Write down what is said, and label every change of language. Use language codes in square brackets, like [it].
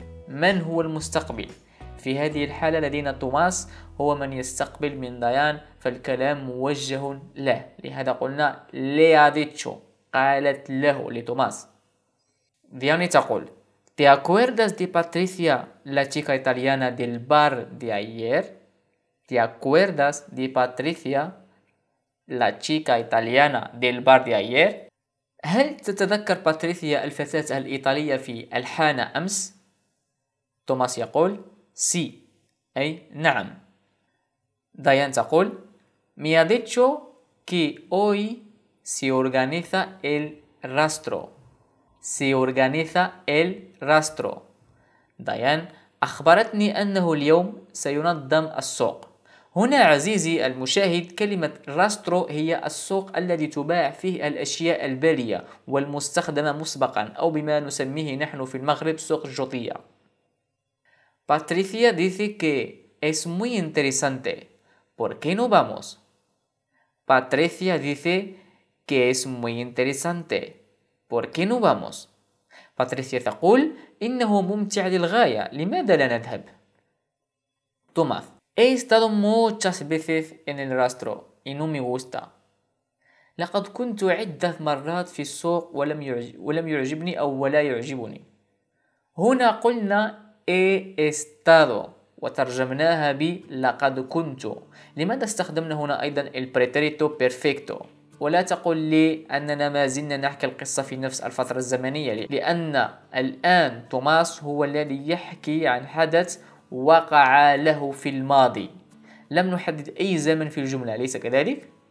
[ar] من هو المستقبل في هذه الحالة لدينا توماس هو من يستقبل من ديان فالكلام موجه له لهذا قلنا لي ha dicho قالت له لتوماس ديان تقول [es] ¿Te acuerdas de Patricia, la chica italiana del bar de ayer? ¿Te acuerdas de Patricia, la chica italiana del bar de ayer? [ar] هل تتذكر باتريسيا الفتاة الإيطالية في الحانة أمس؟ توماس يقول سي أي نعم ديان تقول [es] Me ha dicho que hoy se organiza el rastro [ar] Se organiza el rastro ديان أخبرتني أنه اليوم سينظم السوق هنا عزيزي المشاهد كلمة راسترو هي السوق الذي تباع فيه الأشياء البالية والمستخدمة مسبقا أو بما نسميه نحن في المغرب سوق الجوطية باتريسيا [es] dice que es muy interesante ¿Por qué no vamos? Patricia dice que es muy interesante. ¿Por qué no vamos? [ar] Patricia تقول إنه ممتع للغاية. لماذا لا نذهب؟ [es] Tomás He estado muchas veces en el rastro y no me gusta. [ar] لقد كنت عدة مرات في السوق ولم يعجبني أو ولا يعجبني. هنا قلنا he estado. وترجمناها ب لقد كنت لماذا استخدمنا هنا أيضا البريتريتو بيرفكتو ولا تقول لي أننا ما زلنا نحكي القصة في نفس الفترة الزمنية لأن الآن توماس هو الذي يحكي عن حدث وقع له في الماضي لم نحدد أي زمن في الجملة ليس كذلك؟